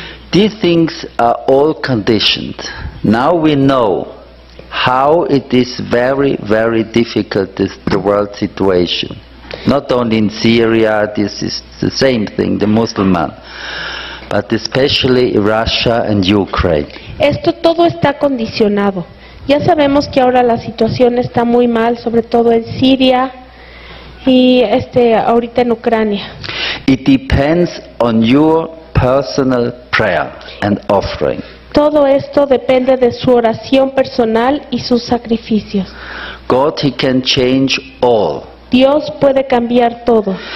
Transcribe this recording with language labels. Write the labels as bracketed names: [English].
[English] These things are all conditioned. Now we know how it is very, very difficult, this, the world situation. Not only in Syria, this is the same thing, the Muslim man, but especially Russia and Ukraine. [Spanish] Esto todo está condicionado. Ya sabemos que ahora la situación está muy mal, sobre todo en Siria y ahorita en Ucrania. [English] It depends on your personal prayer and offering. [Spanish] Todo esto depende de su oración personal y sus sacrificios. [English] God, he can change all. [Spanish] Dios puede cambiar todo.